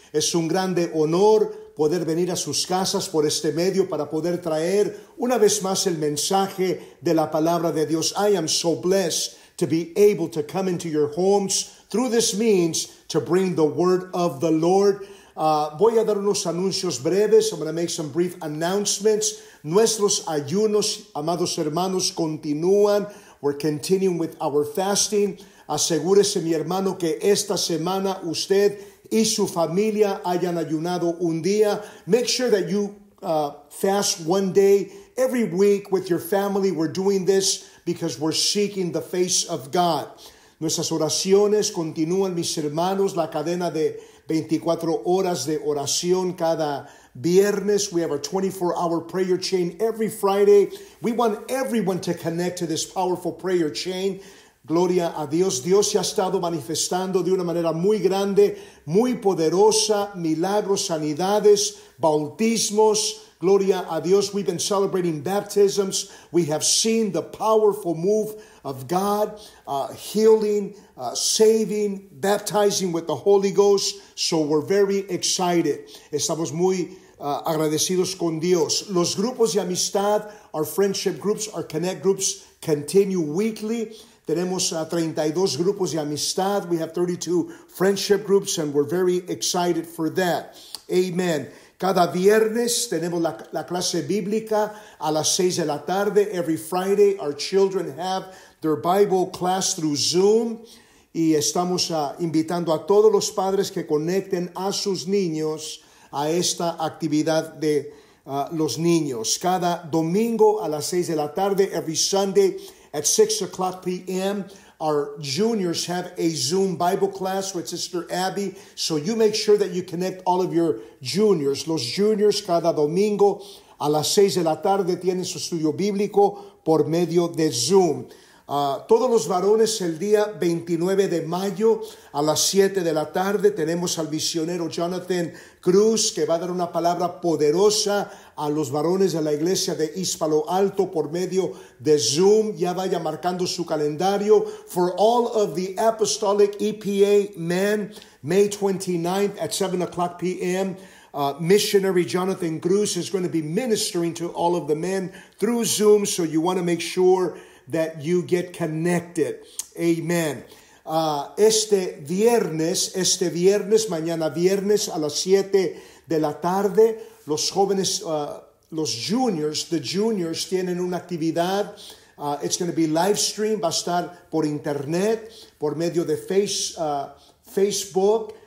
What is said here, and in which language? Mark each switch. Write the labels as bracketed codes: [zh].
[es] Es un grande honor poder venir a sus casas por este medio para poder traer una vez más el mensaje de la palabra de Dios. [en] I am so blessed to be able to come into your homes through this means to bring the word of the Lord. [es] Voy a dar unos anuncios breves. [en] I'm going to make some brief announcements. [es] Nuestros ayunos, amados hermanos, continúan. [en] We're continuing with our fasting. [es] Asegúrese, mi hermano, que esta semana usted y su familia hayan ayunado un día. [en] Make sure that you fast one day every week with your family. We're doing this because we're seeking the face of God. [es] Nuestras oraciones continúan, mis hermanos. La cadena de 24 horas de oración cada viernes. [en] We have a 24-hour prayer chain every Friday. We want everyone to connect to this powerful prayer chain. [es] Gloria a Dios. Dios se ha estado manifestando de una manera muy grande, muy poderosa. Milagros, sanidades, bautismos. Gloria a Dios. [en] We've been celebrating baptisms. We have seen the powerful move of God, healing, saving, baptizing with the Holy Ghost. So we're very excited. [es] Estamos muy agradecidos con Dios. Los grupos de amistad, [en] our friendship groups, our connect groups, continue weekly. [es] Tenemos 32 grupos de amistad. [en] We have 32 friendship groups, and we're very excited for that. Amen. [es] Cada viernes tenemos la clase bíblica a las 6 de la tarde. [en] Every Friday, our children have their Bible class through Zoom. [es] Y estamos invitando a todos los padres que conecten a sus niños a esta actividad de los niños. Cada domingo a las 6 de la tarde, [en] every Sunday at 6 o'clock p.m., our juniors have a Zoom Bible class with Sister Abby. So you make sure that you connect all of your juniors. [es] Los juniors cada domingo a las 6 de la tarde tienen su estudio bíblico por medio de Zoom. Todos los varones el día 29 de mayo a las 7 de la tarde tenemos al misionero Jonathan Cruz, que va a dar una palabra poderosa a los varones de la iglesia de East Palo Alto por medio de Zoom. Ya vaya marcando su calendario. [en] For all of the Apostolic EPA men, May 29th at 7 o'clock p.m., missionary Jonathan Cruz is going to be ministering to all of the men through Zoom, so you want to make sure that you get connected. Amen. [es] Este viernes, mañana viernes a las 7 de la tarde, los jóvenes, los juniors tienen una actividad. [en] It's going to be live stream. [es] Va a estar por internet, por medio de Facebook.